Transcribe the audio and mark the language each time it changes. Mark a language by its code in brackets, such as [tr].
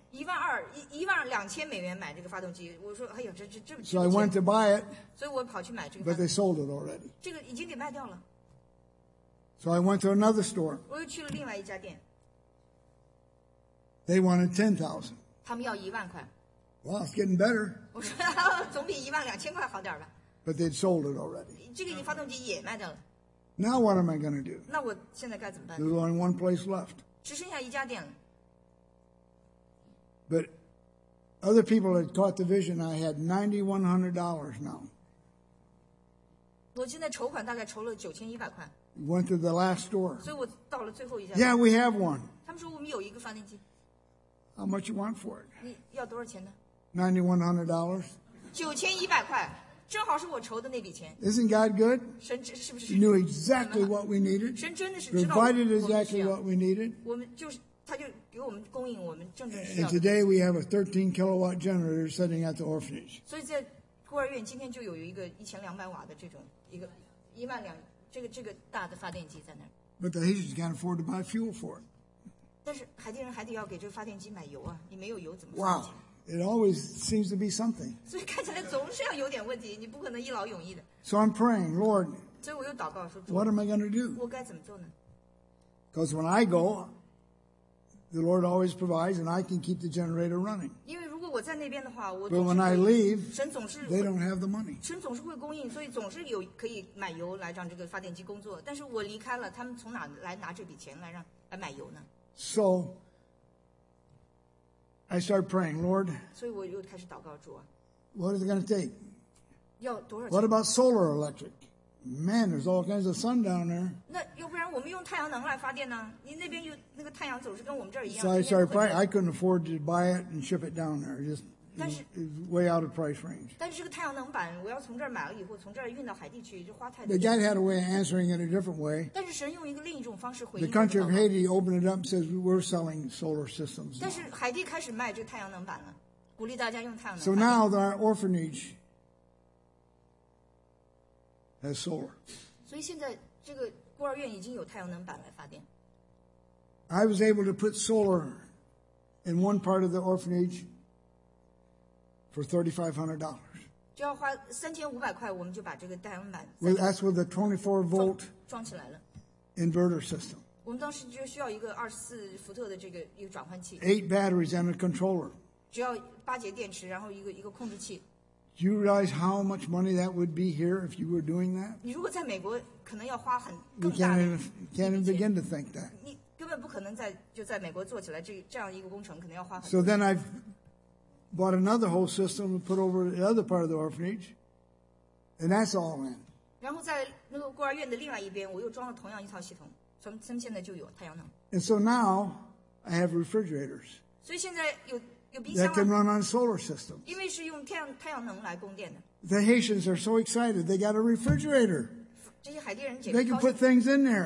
[zh] 12,000美元买这个发动机，我说，哎呀，这。 [en] So I went to buy it. [zh] 所以我跑去买这个。 [en] But they sold it already. [zh] 这个已经给卖掉了。 [en] So I went to another store. [zh] 我又去了另外一家店。 [en] They wanted 10,000. [zh] 他们要10,000块。 [en] Well, it's getting better. [zh] 我说，总比12,000块好点吧。 [en] But they'd sold it already. [zh] 这个发动机也卖掉了。 [en] Now what am I going to do? [zh] 那我现在该怎么办？ [en] There's only one place left. [zh] 只剩下一家店了。 [en] But other people had caught the vision. I had $9,100 now. [zh] 我现在筹款大概筹了9,100块。 [en] Went to the last store. [zh] 所以我到了最后一家。 [en] Yeah, we have one. [zh] 他们说我们有一个发电机。 [en] How much you want for it? [zh] 你要多少钱呢？ [en] $9,100. [zh] 9,100块。正好是我筹的那笔钱。 [en] Isn't God good? [zh] 神是不是 [en] He knew exactly what we needed. [zh] 神真的是 [en] provided exactly what we needed. [zh] 我们就是，他就给我们供应我们正正需要。 [en] And today we have a 13 kilowatt generator sitting at the orphanage. [zh] 所以在孤儿院今天就有一个1200瓦的这种一个一万两这个大的发电机在那儿。 [en] But the Haitians can't afford to buy fuel for it. [zh] 但是海地人还得要给这个发电机买油啊！你没有油怎么发电机？ [en] Wow. It always seems to be something. [zh] 所以看起来总是要有点问题，你不可能一劳永逸的。 [en] So I'm praying, Lord. [zh] 所以我又祷告说， [en] What am I going to do? [zh] 我该怎么做呢？ [en] Because when I go, the Lord always provides, and I can keep the generator running. [zh] 因为如果我在那边的话，我 [en] But when I leave, [zh] 神总是 [en] they don't have the money. [zh] 神总是会供应，所以总是有可以买油来让这个发电机工作。但是我离开了，他们从哪来拿这笔钱来买油呢？ [en] So. I start praying, Lord. [zh] 所以我又开始祷告主啊。 [en] What is it going to take? [zh] 要多少？ [en] What about solar electric? Man, there's all kinds of sun down there. [zh] 那要不然我们用太阳能来发电呢？你那边有那个太阳总是跟我们这儿一样。 [en] So I started praying. I couldn't afford to buy it and ship it down there. Just [zh] 但是 [en] it's way out of price range. [zh] 但是这个太阳能板我要从这儿买了以后，从这儿运到海地去，就花太。 [en] But God had a way of answering it a different way. [zh] 但是神用一个另一种方式回应。 [en] The country of Haiti opened it up and says we're selling solar systems. [zh] 但是海地开始卖这个太阳能板了，鼓励大家用太阳能。 [en] So now our orphanage has solar. [zh] 所以现在这个孤儿院已经有太阳能板来发电。 [en] I was able to put solar in one part of the orphanage. For $3,500. [zh] 就要花3,500块，我们就把这个太阳板。 [en] Well, that's with the 24-volt [zh] 装起来了。 [en] Inverter system. [zh] 我们当时就需要一个24伏特的这个一个转换器。 [en] 8 batteries and a controller. [zh] 只要8节电池，然后一个控制器。 [en] Do you realize how much money that would be here if you were doing that? [zh] 你如果在美国，可能要花很更大的。 [en] You can't even begin to think that. [zh] 你根本不可能在就在美国做起来这样一个工程，可能要花很。 [en] So then I've bought another whole system and put over the other part of the orphanage, and that's all in. [zh] 然后在那个孤儿院的另外一边，我又装了同样一套系统，所以他们现在就有太阳能。 [en] And so now I have refrigerators. [zh] 所以现在有冰箱。 [en] That can run on solar systems. [zh] 因为是用太阳能来供电的。 [en] The Haitians are so excited; they got a refrigerator. [zh] 这些海地人简直。 [en] They can put things in there.